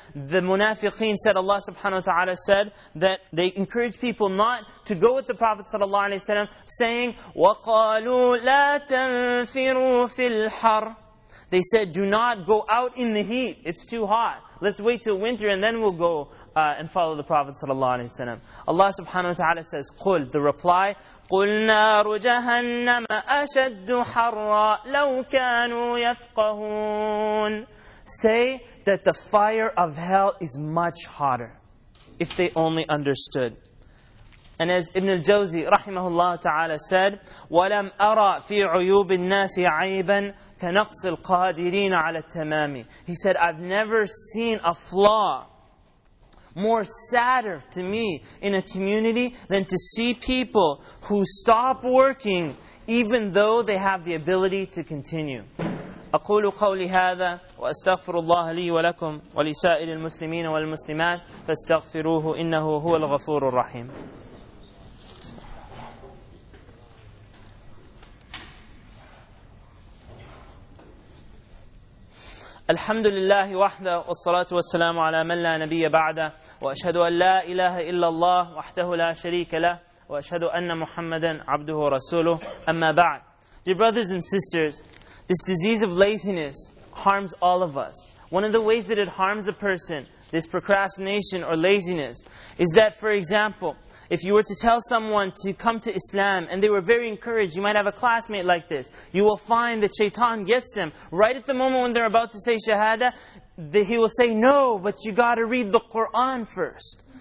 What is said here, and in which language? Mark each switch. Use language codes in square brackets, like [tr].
[en] The munafiqeen said, Allah subhanahu wa ta'ala said that they encourage people not to go with the Prophet sallallahu alaihi wasallam, saying, [ar] وَقَالُوا لَا تَنْفِرُوا فِي الْحَرِّ. [en] They said, do not go out in the heat. It's too hot. Let's wait till winter and then we'll go and follow the Prophet ﷺ. Allah subhanahu wa ta'ala says, [ar] قُلْ, [en] the reply, [ar] قُلْ نَارُ جَهَنَّمَ أَشَدُّ حَرَّا لَوْ كَانُوا يَفْقَهُونَ. [en] Say that the fire of hell is much hotter if they only understood. And as Ibn al-Jawzi rahimahullah ta'ala said, [ar] وَلَمْ أَرَى فِي عُيُوبِ النَّاسِ عَيْبًا كَنَقْصِ الْقَادِرِينَ عَلَى التَّمَامِ. [en] He said, I've never seen a flaw more sadder to me in a community than to see people who stop working even though they have the ability to continue. [ar] أقول قولي هذا وأستغفر الله لي ولكم ولسائر المسلمين والمسلمات فاستغفروه إنه هو الغفور الرحيم. الحمد لله وحده والصلاة والسلام على من لا نبي بعده وأشهد أن لا إله إلا الله وحده لا شريك له وأشهد أن محمدا عبده ورسوله أما بعد. [en] Dear brothers and sisters, this disease of laziness harms all of us. One of the ways that it harms a person, this procrastination or laziness, is that, for example, if you were to tell someone to come to Islam and they were very encouraged, you might have a classmate like this, you will find that shaitan gets them right at the moment when they're about to say shahada, he will say, no, but you got to read the Quran first.